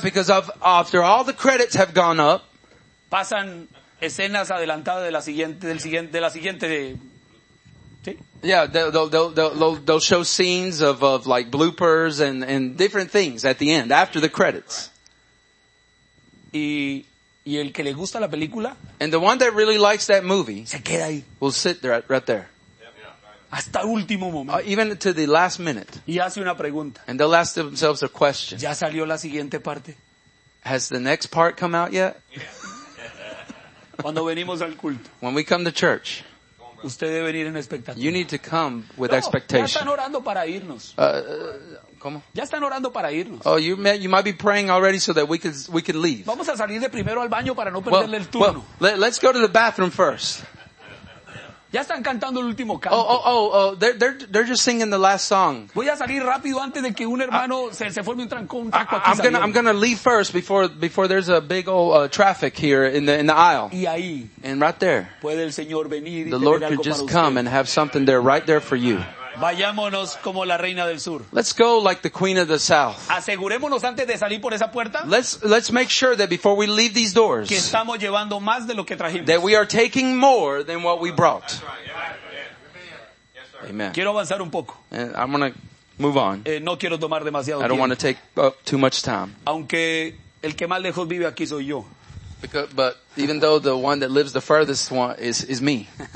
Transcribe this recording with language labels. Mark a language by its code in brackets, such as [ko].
[en] Because after all the credits have gone up. [es] Pasan escenas adelantadas de la siguiente, de la siguiente. De, ¿sí? [en] Yeah, they'll show scenes of like bloopers and different things at the end after the credits. [es] Y el que le gusta la película, [en] and the one that really likes that movie, [es] se queda ahí. [en] Will sit there, right there. Yep, [es] yep. Hasta último momento. [en] Even to the last minute. [es] Y hace una pregunta. [en] And they'll ask themselves a question. [es] ¿Ya salió la siguiente parte? [en] Has the next part come out yet? [es] Cuando venimos al culto. [en] When we come to church. [es] Usted debe venir en expectativa. [en] You need to come with expectation. [es] Ya están orando para irnos. ¿Cómo? Ya están orando para irnos. [en] Oh, you might be praying already so that we could leave. [es] Vamos a salir de primero al baño para no perderle el turno. [en] Well, let's go to the bathroom first. [es] Ya están cantando el último canto. [en] Oh, they're just singing the last song. [es] Voy a salir rápido antes de que un hermano se forme un trancón, un taco aquí. [en] I'm gonna leave first before there's a big old traffic here in the aisle. [es] Y ahí. [en] And right there. [es] Puede el Señor venir y [en] the Lord could just come and have something there right there for you. [es] Vayámonos como la reina del sur. [en] Let's go like the queen of the south. [es] Asegurémonos antes de salir por esa puerta. [en] Let's make sure that before we leave these doors. [es] Que estamos llevando más de lo que trajimos. [en] That we are taking more than what we brought. Amen. [es] Quiero avanzar un poco. [en] I'm gonna move on. [es] No quiero tomar demasiado tiempo. [en] I don't want to take up too much time. [es] Aunque el que más lejos vive aquí soy yo. [en] But even though the one that lives the furthest one is me.